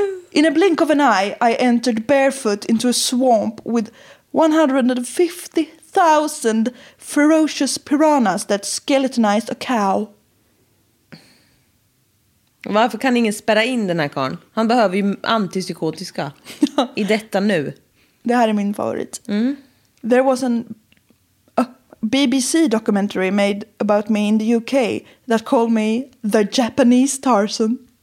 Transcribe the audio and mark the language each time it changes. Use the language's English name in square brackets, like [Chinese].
[English] In a blink of an eye I entered barefoot into a swamp with 150,000 ferocious piranhas that skeletonized a cow. [Swedish] Varför kan ingen spärra in den här karln? Han behöver ju antipsykotiska i detta nu. Det här är min favorit. Mm. [English] There was a BBC documentary made about me in the UK that called me the Japanese Tarzan.